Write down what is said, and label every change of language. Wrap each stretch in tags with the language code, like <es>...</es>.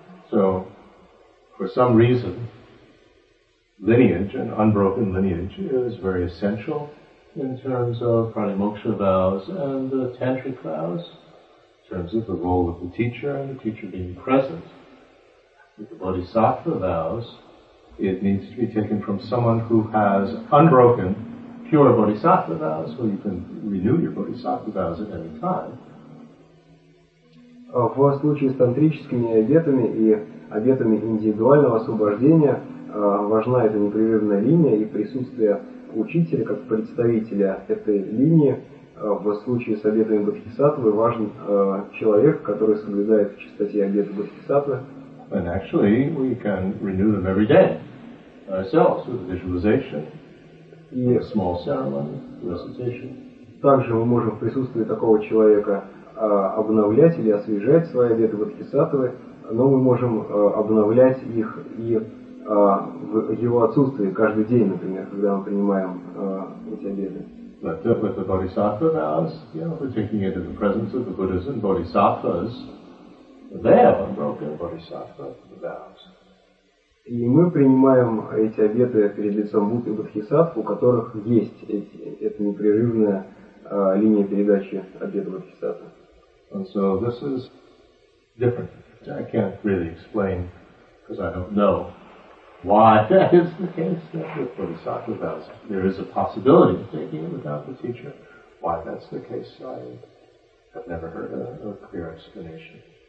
<en>So, for some reason, lineage, an unbroken lineage, is very essential in terms of pratimoksha vows and the tantric vows, in terms of the role of the teacher and the teacher being present. With the bodhisattva vows, it needs to be taken from someone who has unbroken, pure bodhisattva vows, where you can renew your bodhisattva vows at any time.</en> <ru>В случае с тантрическими обетами и обетами индивидуального освобождения важна эта непрерывная линия и присутствие учителя как представителя этой линии. В случае с обетами бодхисаттвы важен человек, который соблюдает в чистоте обет бодхисаттвы.</ru> <en>And actually, we can renew them every day ourselves with visualization, a small ceremony, recitation.</en> <ru>Также мы можем в присутствии такого человека обновлять или освежать свои обеты бодхисаттвы, но мы можем обновлять их и в его отсутствии каждый день, например, когда мы принимаем эти обеты.</ru> <en>But with the bodhisattva vows, you know, we're taking it in the presence of the Buddhas and bodhisattvas. They have unbroken bodhisattva vows.</en> <ru>И мы принимаем эти обеты перед лицом Будды и бодхисаттв, у которых есть эта непрерывная линия передачи обета бодхисаттвы.</ru> <en>And so this is different. I can't really explain, because I don't know why that is the case, that with bodhisattva vows, there is a possibility of taking it without the teacher. Why that's the case, I have never heard a clear explanation.</en>